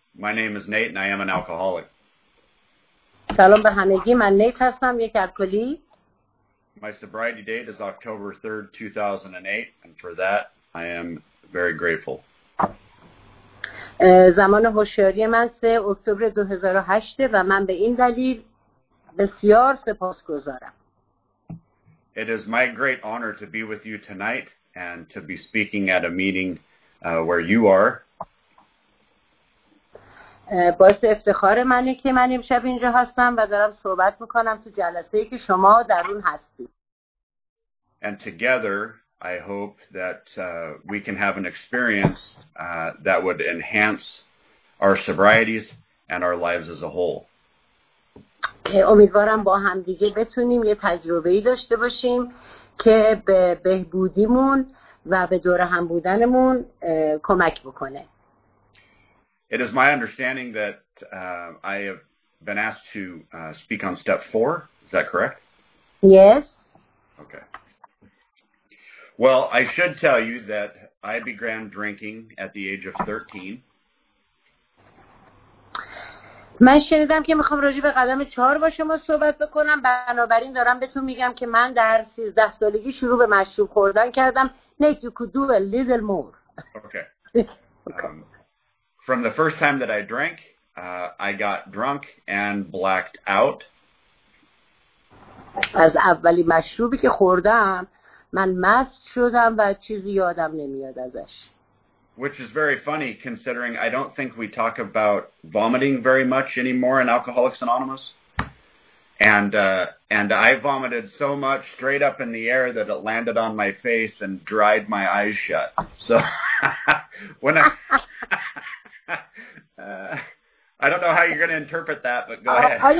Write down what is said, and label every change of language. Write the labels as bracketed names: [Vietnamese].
[English] My name is Nate and I am an alcoholic. [Persian] سلام به همگی. من نیت هستم. یک الکلی. [English] My sobriety date is October 3rd, 2008, and for that, I am very grateful. [Persian] زمان هوشیاری من 3 اکتبر 2008 و من به این دلیل بسیار سپاسگزارم. [English] It is my great honor to be with you tonight and to be speaking at a meeting where you are. [Persian] باعث افتخار منه که من امشب اینجا هستم و دارم صحبت میکنم تو جلسه ای که شما در اون هستید. [English] And together, I hope that we can have an experience that would enhance our sobrieties and our lives as a whole. [Persian] که امیدوارم با هم دیگه بتونیم یه تجربه‌ای داشته باشیم که به بهبودیمون و به دور هم بودنمون کمک بکنه. [English] It is my understanding that I have been asked to speak on step 4. Is that correct? Yes. Okay. Well, I should tell you that I began drinking at the age of 13. [Persian] من شنیدم که میخوام راجع به قدم 4 با شما صحبت بکنم. بنابراین دارم بهتون میگم که من در 13 سالگی شروع به مشروب خوردن کردم. [English] Nate, you could do a little more. Okay. From the first time that I drank, I got drunk and blacked out. [Persian] از اولی مشروبی که خوردم من مست شدم و چیزی یادم نمیاد ازش. [English] Which is very funny considering I don't think we talk about vomiting very much anymore in Alcoholics Anonymous. And I vomited so much straight up in the air that it landed on my face and dried my eyes shut. So when I don't know how you're going to interpret that, but go ahead.